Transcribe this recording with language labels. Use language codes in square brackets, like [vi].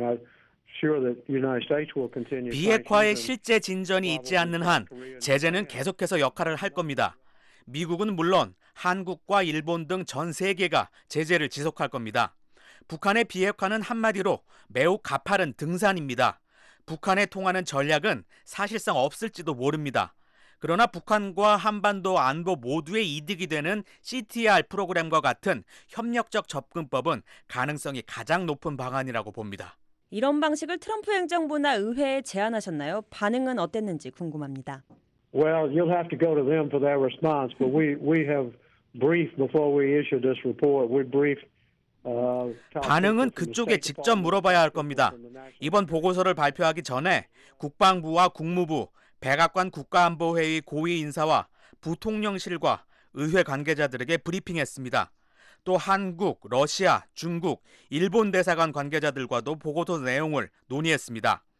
[en] I'm sure that the United States will continue. [ko] 비핵화에 실제 진전이 있지 않는 한 제재는 계속해서 역할을 할 겁니다. 미국은 물론 한국과 일본 등 전 세계가 제재를 지속할 겁니다. 북한의 비핵화는 한마디로 매우 가파른 등산입니다. 북한에 통하는 전략은 사실상 없을지도 모릅니다. 그러나 북한과 한반도 안보 모두의 이득이 되는 CTR 프로그램과 같은 협력적 접근법은 가능성이 가장 높은 방안이라고 봅니다. 이런 방식을 트럼프 행정부나 의회에 제안하셨나요? 반응은 어땠는지 궁금합니다. [en] Well, you'll have to go to them for their response, but we have briefed before we issued this report. We briefed [ko] 반응은 그쪽에 직접 물어봐야 할 겁니다. 이번 보고서를 발표하기 전에 국방부와 국무부, 백악관 국가안보회의 고위 인사와 부통령실과 의회 관계자들에게 브리핑했습니다. 또 한국, 러시아, 중국, 일본 대사관 관계자들과도 보고서 내용을 논의했습니다.